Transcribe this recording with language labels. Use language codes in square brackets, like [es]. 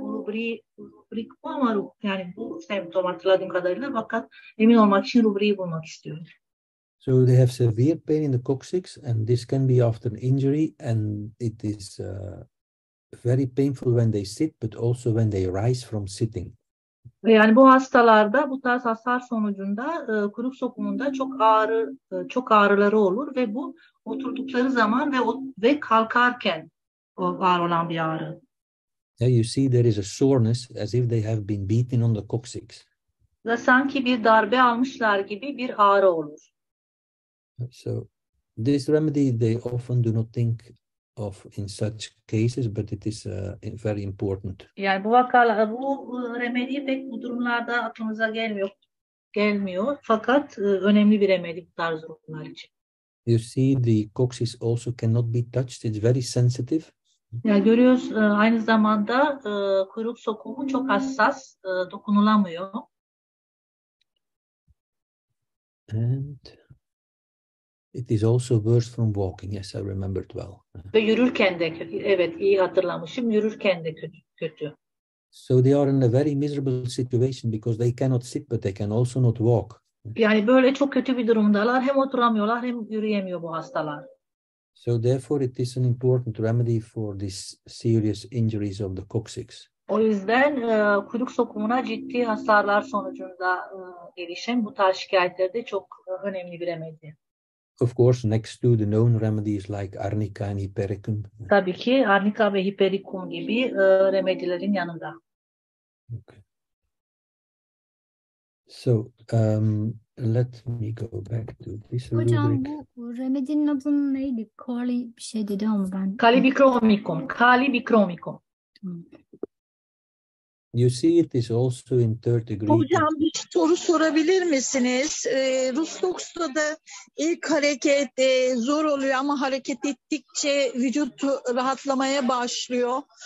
[tr] Rubrik bu ama yani bu semptom hatırladığım kadarıyla, fakat emin olmak için rubriği bulmak istiyorum. [en] So they have severe pain in the coccyx and this can be after an injury and it is very painful when they sit but also when they rise from sitting. [tr] Yani bu hastalarda bu tarz hasar sonucunda kuyruk sokumunda çok ağrıları olur ve bu oturdukları zaman ve kalkarken var olan bir ağrı. [en] Yeah, you see there is a soreness as if they have been beaten on the coccyx. [tr] Ve sanki bir darbe almışlar gibi bir ağrı olur. [en] So this remedy they often do not think of in such cases, but it is very important. [tr] Yani bu vakalar, bu remedi pek bu durumlarda aklımıza gelmiyor. Fakat önemli bir remedi bu tarz durumlar için. [en] You see, the coccyx also cannot be touched. It's very sensitive. [tr] Yani görüyoruz, aynı zamanda kuyruk sokumu çok hassas, dokunulamıyor. [en] And it is also worse from walking, yes, I remembered well. [tr] Ve yürürken de kötü. Evet, iyi hatırlamışım. Yürürken de kötü. [en] So they are in a very miserable situation because they cannot sit but they can also not walk. [tr] Yani böyle çok kötü bir durumdalar. Hem oturamıyorlar hem yürüyemiyor bu hastalar. [en] So therefore it is an important remedy for these serious injuries of the coccyx. [tr] O yüzden kuyruk sokumuna ciddi hasarlar sonucunda gelişen bu tarz şikayetler de çok önemli bir remedi. [en] Of course next to the known remedies like arnica and hypericum. [tr] Tabii ki arnica ve hypericum gibi remedilerin yanında. [en] Okay. So let me go back to this [tr] rubric. Hocam bu remedinin adı neydi? Kali bir şey dedi ama ben. Kalibikromikum. Kalibikromikum. [en] You see it is also in third degree. [tr] Hocam bir soru sorabilir misiniz? Rusluk'ta da ilk hareket zor oluyor ama hareket ettikçe vücut rahatlamaya başlıyor.